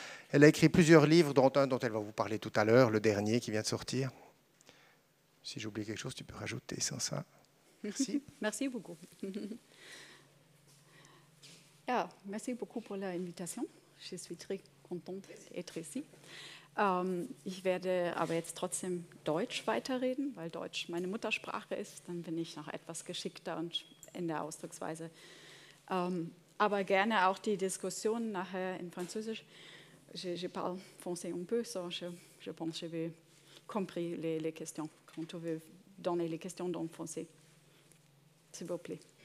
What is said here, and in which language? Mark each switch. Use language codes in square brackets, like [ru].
[fr] Elle a écrit plusieurs livres, dont un dont elle va vous parler tout à l'heure, le dernier qui vient de sortir. Si j'oublie quelque chose, tu peux rajouter sans ça. Merci. Merci beaucoup. Ah, merci beaucoup pour l'invitation. Je suis très contente d'être ici. [de] Ich werde aber jetzt trotzdem Deutsch weiterreden, weil Deutsch meine Muttersprache ist. Dann bin ich noch etwas geschickter und in der Ausdrucksweise. Aber gerne auch die Diskussion nachher in Französisch. [fr] Je parle français un peu, [en] so [fr] je pense que j'ai compris les questions. Quand tu veux donner les questions en français, s'il vous plaît.